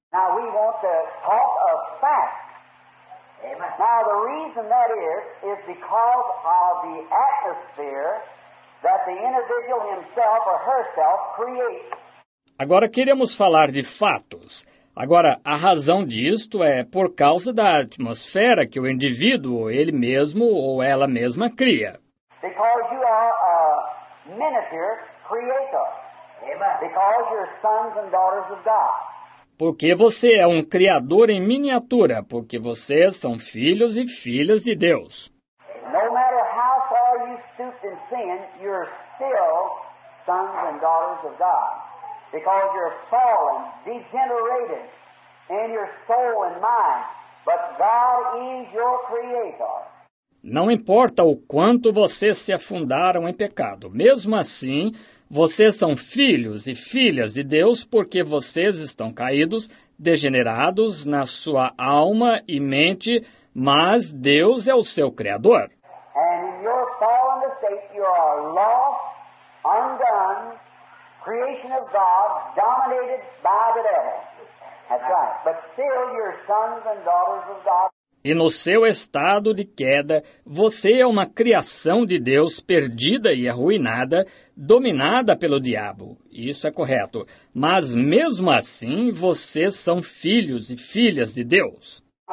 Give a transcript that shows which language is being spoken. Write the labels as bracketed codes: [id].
[en] Now we want to talk of fact. Now the reason that is because of the atmosphere that the individual himself or herself creates. [pt] Agora queremos falar de fatos. Agora, a razão disto é por causa da atmosfera que o indivíduo, ele mesmo ou ela mesma, cria. [en] Because you are a miniature creator. Amen. Because you're sons and daughters of God. [pt] Porque você é um criador em miniatura, porque vocês são filhos e filhas de Deus. [en] No matter how far you stooped in sin, you're still sons and daughters of God. Because you're fallen, degenerated in your soul and mind, but God is your creator. [pt] Não importa o quanto vocês se afundaram em pecado, mesmo assim, vocês são filhos e filhas de Deus porque vocês estão caídos, degenerados na sua alma e mente, mas Deus é o seu Criador. [en] And in your fallen state, you are lost, undone, creation of God, dominated by the devil. That's right. But still, you're sons and daughters of God. [pt] E no seu estado de queda, você é uma criação de Deus perdida e arruinada, dominada pelo diabo. Isso é correto. Mas mesmo assim, vocês são filhos e filhas de Deus.